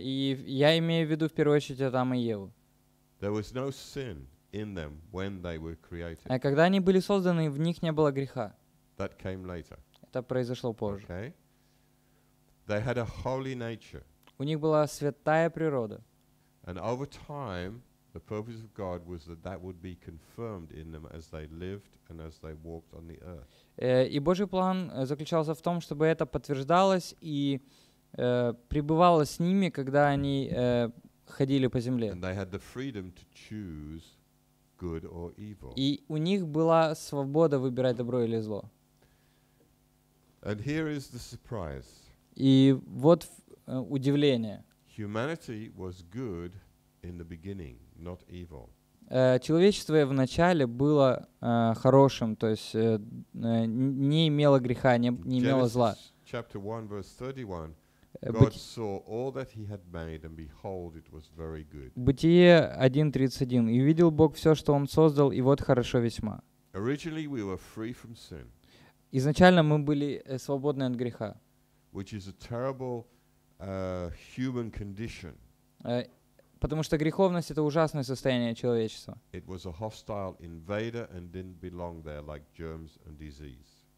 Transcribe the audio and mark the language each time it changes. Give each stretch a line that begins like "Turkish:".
Russian: И я имею в виду в первую очередь Адам и Еву.
English: There was no sin in them when they were created.
Russian: Когда они были созданы, в них не было греха.
English: That came later.
Russian: Это произошло позже.
English: Okay. They had a holy nature.
Russian: У них была святая природа.
English: And over time, the purpose of God was that that would be confirmed in them as they lived and as they walked on the earth.
Russian: И Божий план заключался в том, чтобы это подтверждалось и пребывало с ними, когда они ходили по земле.
English: And they had the freedom to choose good or evil.
Russian: И у них была свобода выбирать добро или зло.
English: And here is the surprise.
Russian: И вот удивление.
English: Humanity was good in the beginning, not evil.
Russian: Человечество в начале было хорошим, то есть не имело греха, не имело зла.
English: Genesis chapter 1 verse 31. God saw all that he had made and behold it was very good.
Russian: Бытие 1:31. И видел Бог всё, что он создал, и вот хорошо весьма.
English: Originally we were free from sin.
Russian: Изначально мы были свободны от греха.
English: Which is a terrible human condition.
Russian: Потому что греховность — это ужасное состояние человечества.
English: It was a hostile invader and didn't belong there like germs and disease.